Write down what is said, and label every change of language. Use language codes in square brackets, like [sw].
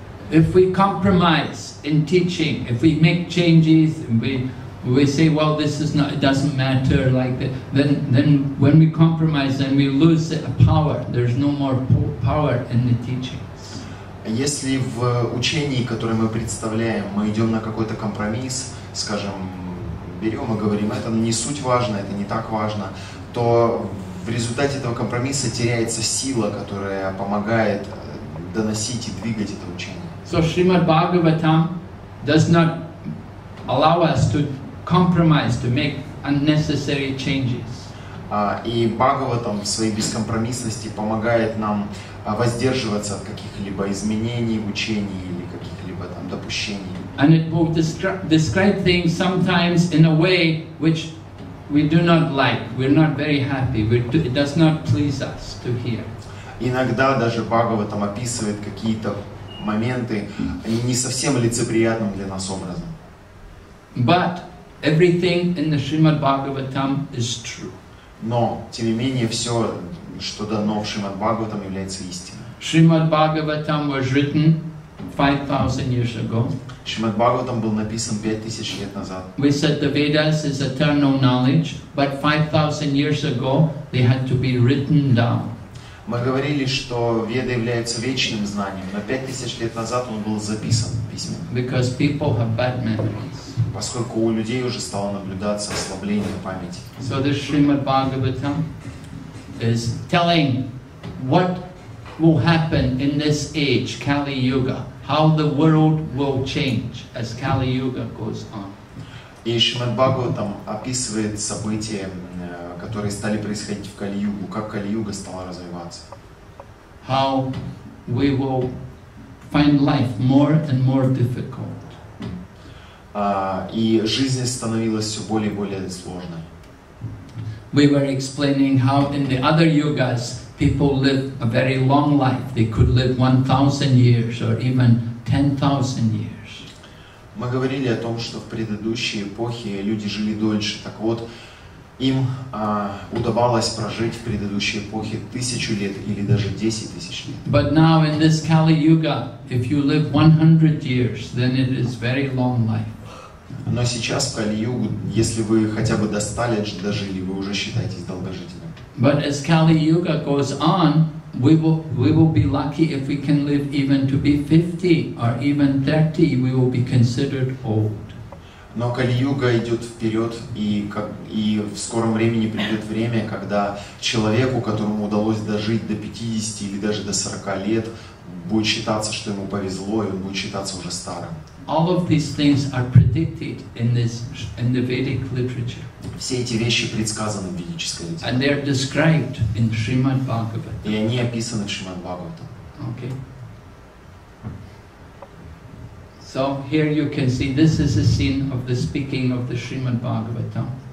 [en] If we compromise in teaching, if we make changes, we say, well, this is not, it doesn't matter, like that. Then when we compromise, then we lose the power. There's no more power in the teachings. [ru] Если в учении, которое мы представляем, мы идем на какой-то компромисс, скажем, берем и говорим, это не суть важно, это не так важно, то в результате этого компромисса теряется сила, которая помогает доносить и двигать это учение. [en] So Srimad Bhagavatam does not allow us to compromise, to make unnecessary changes. [ru] И Бхагаватам в своей бескомпромиссности помогает нам воздерживаться от каких-либо изменений в учении или каких-либо там допущений. [en] And it will describe things sometimes in a way which we do not like. We're not very happy. It does not please us to hear. [ru] Иногда даже Бхагаватам описывает какие-то моменты не совсем лицеприятным для нас образом. [en] But everything in the Srimad Bhagavatam is true. [ru] Но, тем не менее, все, что дано в Шримад Бхагаватам, является истиной. [en] Шримад Бхагаватам was written 5,000 years ago. [ru] Шримад Бхагаватам был написан 5,000 лет назад. [en] We said the Vedas is eternal knowledge, but 5,000 years ago they had to be written down. [ru] Мы говорили, что Веды являются вечным знанием, но 5,000 лет назад он был записан письменно. [en] Because people have bad memories. [ru] Поскольку у людей уже стало наблюдаться ослабление памяти. [en] So the Srimad Bhagavatam is telling what will happen in this age, Kali Yuga, how the world will change as Kali Yuga goes on. [ru] И Шримад Бхагаватам описывает события, которые стали происходить в Кали-Югу, как Кали-Юга стала развиваться. [en] How we will find life more and more difficult. [ru] И жизнь становилась все более и более сложной. [en] We were explaining how in the other yugas people lived a very long life. They could live 1,000 years or even 10,000 years. [ru] Мы говорили о том, что в предыдущие эпохи люди жили дольше. Так вот, им удавалось прожить в предыдущие эпохи 1,000 лет или даже 10,000 лет. [en] But now in this Kali Yuga, if you live 100 years, then it is very long life. [ru] Но сейчас в Кали-Югу, если вы хотя бы до 100 лет дожили, вы уже считаетесь долгожителем. [en] But as Kali-Yuga goes on, we will be lucky if we can live even to be 50 or even 30, we will be considered old. [ru] Но Кали-Юга идет вперед, и в скором времени придет время, когда человеку, которому удалось дожить до 50 или даже до 40 лет, будет считаться, что ему повезло, и он будет считаться уже старым. [en] All of these things are predicted in the Vedic literature. [ru] Все эти вещи предсказаны в ведической литературе. [en] And they are described in Srimad Bhagavatam. [ru] И они описаны в Шримад Бхагаватам. [en] Okay. So here you can see this is a scene of the speaking of the Srimad Bhagavatam.